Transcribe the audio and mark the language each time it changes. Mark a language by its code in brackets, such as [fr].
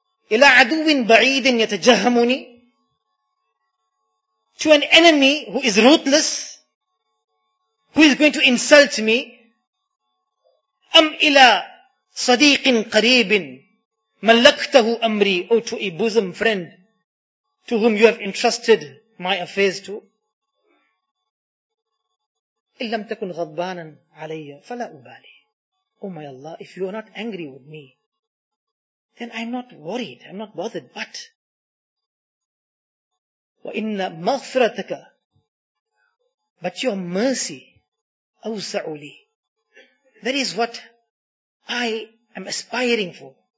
[ar] Ila aduwin ba'idin yatajahamuni. [en] To an enemy who is ruthless, who is going to insult me. [ar] أم إلى صديق قريب ملكته أمري, [en] or to a bosom friend to whom you have entrusted my affairs to. [ar] إن لم تكن غضبانا علي فلا أبالي. [en] Oh my Allah, if you are not angry with me, then I'm not worried, I'm not bothered, but [ar] وَإِنَّ مَغْفِرَتَكَ, [en] but your mercy, [ar] أَوْسَعُ لِي, [en] that is what I am aspiring for.